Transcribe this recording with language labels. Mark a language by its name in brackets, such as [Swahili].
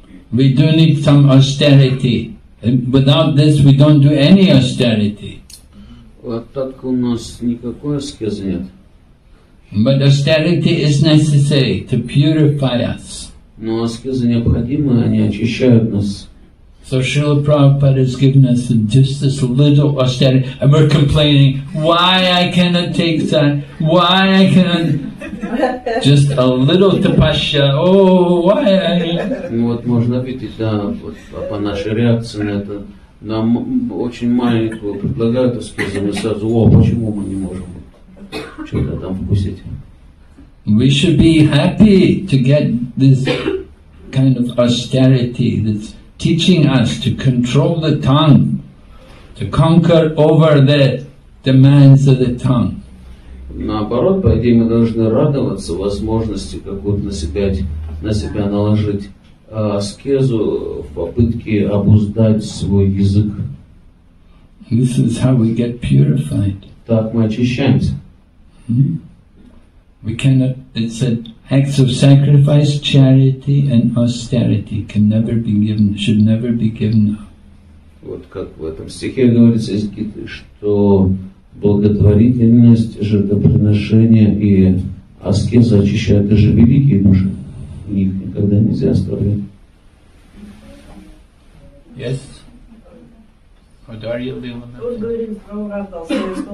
[English] We do need some austerity. Without this, we don't do any austerity. [Russian] Вот так у нас никакой аскезы нет. [English] But austerity is necessary to purify us. [Russian] Но аскезы необходимы, они очищают нас. [English] So Srila Prabhupada has given us just this little austerity, and we're complaining, why I cannot take that, why I cannot, just a little tapasya, oh, why I... [Russian] Вот можно видеть, да, вот по нашей реакции на это, нам очень маленькую предлагают аскезу, мы сразу, о, почему мы не можем что-то там вкусить? [English] We should be happy to get this kind of austerity, this teaching us to control the tongue, to conquer over the demands of the tongue. [Russian] Наоборот, по идее, мы должны радоваться возможности какую-то на себя наложить аскезу в попытке обуздать свой язык. [English] This is how we get purified. [Russian] Так мы очищаемся. [English] We cannot, it said, acts of sacrifice, charity, and austerity can never be given, should never be given up. [Russian] Вот как в этом стихе говорится, что благотворительность, жертвоприношение и аскеза очищают даже великие души. Их никогда нельзя оставлять. [English] Yes? What are you doing? [Russian] Он говорит, что